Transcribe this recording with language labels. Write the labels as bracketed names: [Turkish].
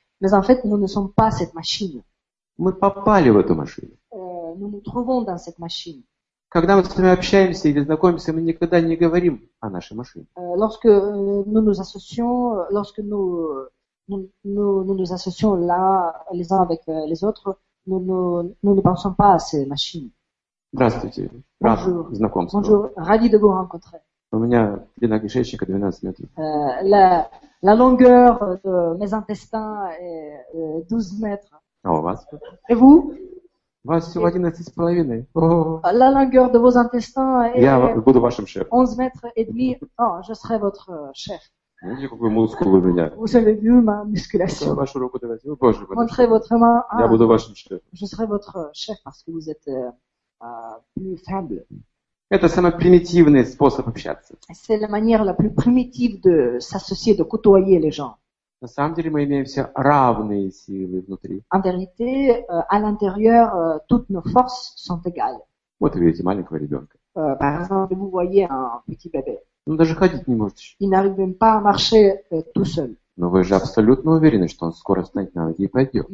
[French] Mais en fait, nous ne sommes pas cette machine. [Russian] Мы попали в эту машину. [French] Nous nous trouvons dans cette machine. [Russian] Когда мы с вами общаемся или знакомимся, мы никогда не говорим о нашей машине. [French] Lorsque nous nous associons, lorsque nous nous associons là les uns avec les autres, nous ne pensons pas à ces machines. [Russian] Здравствуйте. [French] Bonjour. [Russian] Знакомство. [French] Bonjour. Ravi de vous rencontrer. [Russian] У меня длина кишечника 12 метров. [French] La longueur de mes intestins est 12 mètres. [Russian] А у вас? [French] Et vous? [Russian] У вас всего 11,5. [French] La longueur de vos intestins est 11 mètres et demi. Oh, je serai votre chef. [Russian] Видите, какой мускул у меня. Вы [French] avez vu ma musculation. [Russian] Вашу руку давайте. О, Боже, [French] Montrez votre main. [Russian] Ah, я буду вашим шефом. [French] Je serai votre chef parce que vous êtes plus faible. [Russian] Это самый примитивный способ общаться. [French] C'est la manière la plus primitive de s'associer, de côtoyer les gens. [Russian] На самом деле мы имеем все равные силы внутри. [French] En vérité, à l'intérieur, toutes nos forces sont égales. [Russian] Вот видите маленького ребенка. [French] Par exemple, vous voyez un petit bébé. [Russian] Он даже ходить не может еще. [French] Il n'arrive même pas à marcher tout seul. [Russian] Но вы же абсолютно уверены, что он скоро встанет на ноги и пойдет.